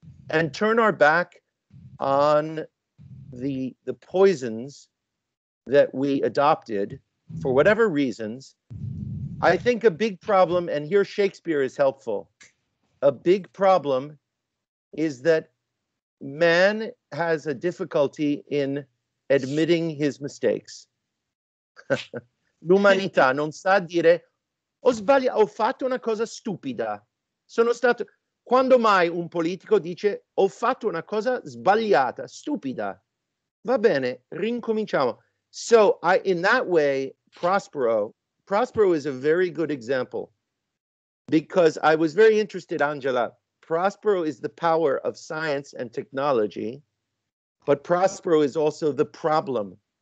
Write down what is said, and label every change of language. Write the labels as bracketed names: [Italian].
[English] And turn our back on the poisons that we adopted for whatever reasons. I think a big problem, and here Shakespeare is helpful, a big problem is that man has a difficulty in admitting his mistakes. [Italian] L'umanità non sa dire ho sbagliato, ho fatto una cosa stupida. Sono stato. Quando mai un politico dice ho fatto una cosa sbagliata, stupida? Va bene, rincominciamo. [English] So I, in that way, Prospero is a very good example because I was very interested, Angela. Prospero is the power of science and technology, but Prospero is also the problem.